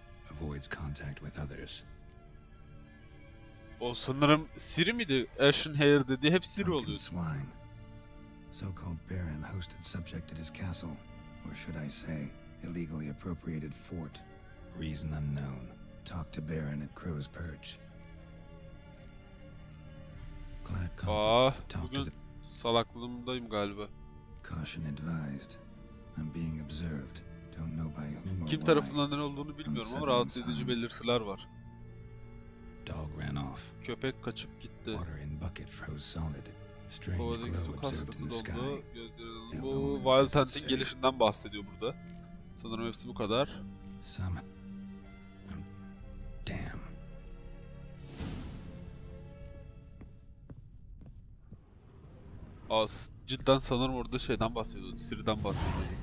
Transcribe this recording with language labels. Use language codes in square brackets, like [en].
[en] Avoids contact with others. [tr] O sanırım Siri miydi? Ashen Hair dedi. Hep Siri oluyor. [en] So-called Baron hosted subject at his castle, or should I say, illegally appropriated fort. Reason unknown. Talk to Baron at Crow's Perch. Glad conflict. [tr] Bugün salaklığımdayım galiba. [en] Caution advised. I'm being observed. Don't know by whom or why. [tr] Kim tarafından ne olduğunu bilmiyorum ama rahatsız edici belirtiler var. [en] Dog ran off. [tr] Köpek kaçıp gitti. [en] Water in bucket froze solid. Strange glow observed in the sky. [tr] Bu Wild Hunt'in gelişinden bahsediyor burada. Sanırım hepsi bu kadar. Some... [en] Damn. [tr] As cidden sanırım orada şeyden bahsediyordu. Siri'den bahsediyordu.